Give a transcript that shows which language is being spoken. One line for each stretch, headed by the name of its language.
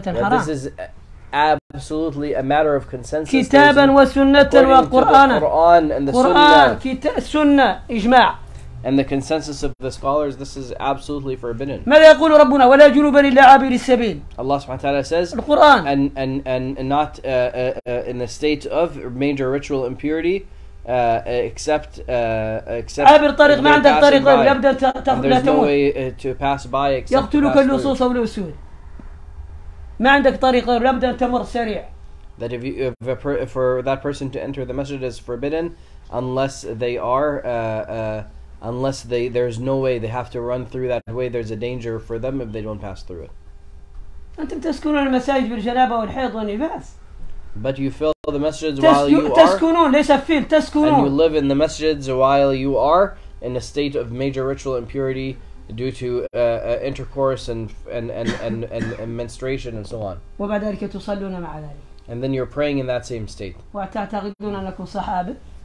English: This is absolutely a matter of consensus.
Arabic: كتاباً وسنةً وقرآناً.
English: The Quran and the Sunnah. إجماع. And the consensus of the scholars, this is absolutely forbidden.
Arabic: ماذا يقول ربنا ولا جنوبا إلا عابر السبيل.
English: Allah سبحانه وتعالى says.
Arabic: القرآن.
English: And not in a state of major ritual impurity, except.
Arabic: عابر طريق ما عندك طريق لا بد أن تأخذ.
English: There's no way to pass by except.
Arabic: يقتلك اللصوص أو الأسود. ما عندك طريق لا بد أن تمر سريع.
English: That if for that person to enter the masjid is forbidden, unless they are. Unless there's no way they have to run through that way, there's a danger for them if they don't pass through it.
Arabic: أنتم تسكنون المساجد بالجنابة والحيض والنفاس.
English: But you fill the masjids while you are.
Arabic: تسكنون ليس فيل تسكنون.
English: And you live in the masjids while you are in a state of major ritual impurity due to intercourse and menstruation and so on.
Arabic: وبعد ذلك تصلون مع ذلك.
English: And then you're praying in that same state.
Arabic: وتعتقدون أنكم صحابة.